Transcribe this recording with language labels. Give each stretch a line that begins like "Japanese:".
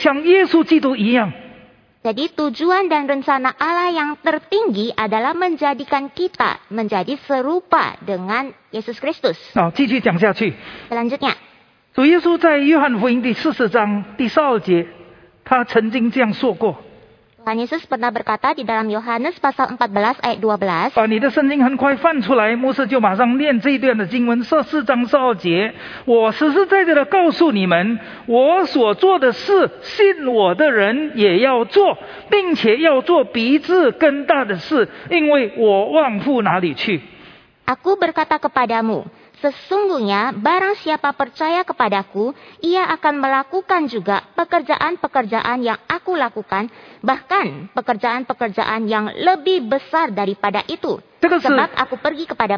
Indonesian: Jadi tujuan dan rencana Allah yang tertinggi adalah menjadikan kita menjadi serupa dengan Yesus Kristus. Selanjutnya.
Chinese: 主耶稣在约翰福音第40章第12节, 他曾经这样说过,
Indonesian: Tuhan Yesus pernah berkata di dalam Yohanes pasal 14 ayat 12,
Chinese: 把你的圣经很快翻出来, 牧师就马上念这一段的经文,14章12节, 我实实在在地告诉你们, 我所做的事, 信我的人也要做, 并且要做比这更大的事, 因为我往父哪里去。
Indonesian: Aku berkata kepadamu, sesungguhnya barang siapa percaya kepadaku, ia akan melakukan juga pekerjaan-pekerjaan yang aku lakukan, bahkan pekerjaan-pekerjaan yang lebih besar daripada itu. Sebab aku pergi kepada